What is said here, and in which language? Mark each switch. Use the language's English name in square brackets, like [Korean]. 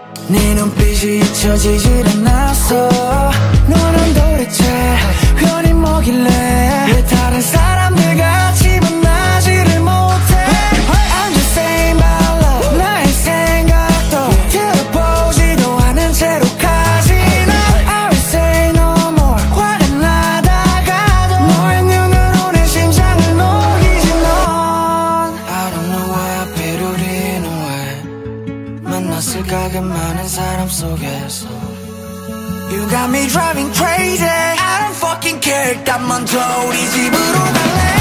[Korean] 네 눈빛이 잊혀지질 않았어. 너는 도대체 흔히 뭐길래 왜 다른 사람들 같이 만나지를 못해. [English] Hey. I'm just saying my love. [Korean] 나의 생각도 들어보지도 않은 채로 가지나. [English] Hey. I will say no more. [Korean] 화를 나다가도 너의 눈으로 내 심장을 녹이지 넌. [English] I don't know why I paid all in a way. [Korean] 만났을까 그 많은 사람 속에서. [English] You got me driving crazy. I don't fucking care. [Korean] 난 먼저 우리 집으로 갈래.